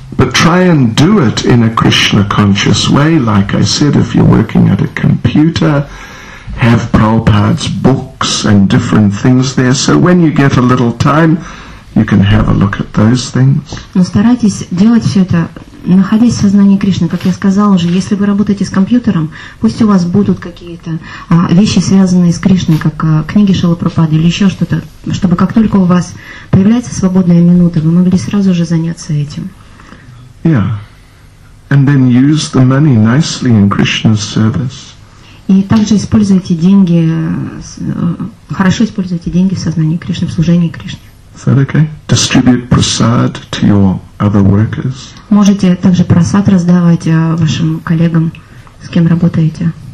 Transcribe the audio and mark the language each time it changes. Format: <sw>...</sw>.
<en>But try and do it in a Krishna conscious way, like I said, if you're working at a computer. Have Prabhupada's books and different things there, so when you get a little time, you can have a look at those things.</en> <ru>Но старайтесь делать все это, находясь в сознании Кришны, как я сказала уже. Если вы работаете с компьютером, пусть у вас будут какие-то вещи, связанные с Кришной, как книги Шрилы Прабхупады или еще что-то, чтобы как только у вас появляется свободная минута, вы могли сразу же заняться этим.</ru> <en>Yeah, and then use the money nicely in Krishna's service.</en> <ru>И также используйте деньги, хорошо используйте деньги в сознании Кришны, в служении Кришне.</ru> <en>Is that okay? Distribute prasad to your other workers.</en> <ru>Можете также прасад раздавать вашим коллегам, с кем работаете.</ru>